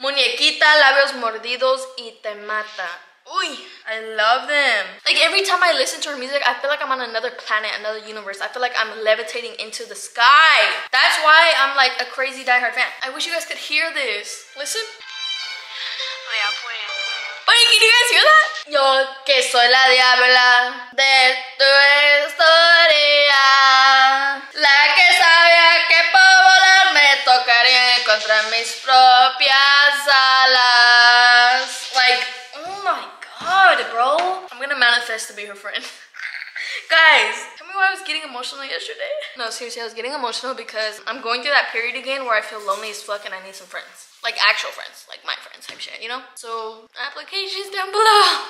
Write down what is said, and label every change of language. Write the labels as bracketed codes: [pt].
[en] Muñequita, Labios Mordidos, y Te Mata. Uy, I love them. Like every time I listen to her music, I feel like I'm on another planet, another universe. I feel like I'm levitating into the sky. That's why I'm like a crazy diehard fan. I wish you guys could hear this. Listen. Wait, can you guys hear that? [es] Yo que soy la diabla de tu historia. La que sabía que por volar me tocaría encontrar mis propias alas. [en] Like, oh my god, bro. I'm gonna manifest to be her friend. Guys, tell me why I was getting emotional yesterday. No, seriously, I was getting emotional because I'm going through that period again where I feel lonely as fuck and I need some friends. Like actual friends, like my friends type shit, you know? So, applications down below.